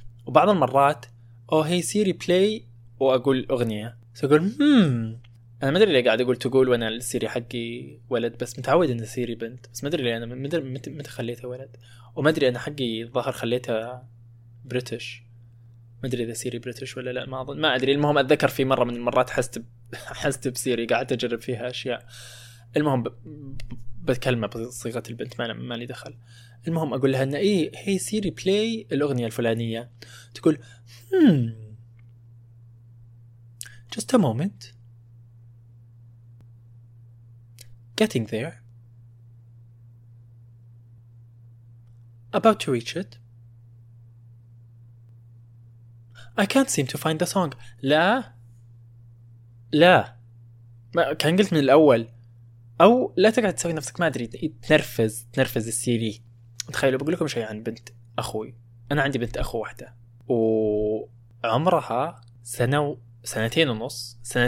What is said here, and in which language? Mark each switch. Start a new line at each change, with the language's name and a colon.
Arabic: وبعض المرات هي سيري بلاي واقول اغنيه، تقول انا ما ادري ليه قاعد اقول تقول، وانا السيري حقي ولد، بس متعود ان سيري بنت، بس ما ادري ليه انا متى خليتها ولد، وما ادري انا حقي ظهر خليتها بريتش، ما ادري اذا سيري بريتش ولا لا، ما اظن، ما ادري. المهم اتذكر في مره من المرات حست بسيري قاعد اجرب فيها اشياء. المهم بتكلمها بصيغه البنت، ما لي دخل. المهم اقول لها ان هي سيري بلاي الاغنيه الفلانيه، تقول
English: just a moment getting there about to reach it I can't seem to find the song.
Arabic: لا ما كان قلت من الاول، او لا تقعد تسوي نفسك ما ادري تنرفز السيري. تخيلوا بقول لكم شيء عن بنت اخوي، انا عندي بنت اخو واحده وعمرها سنتين ونص.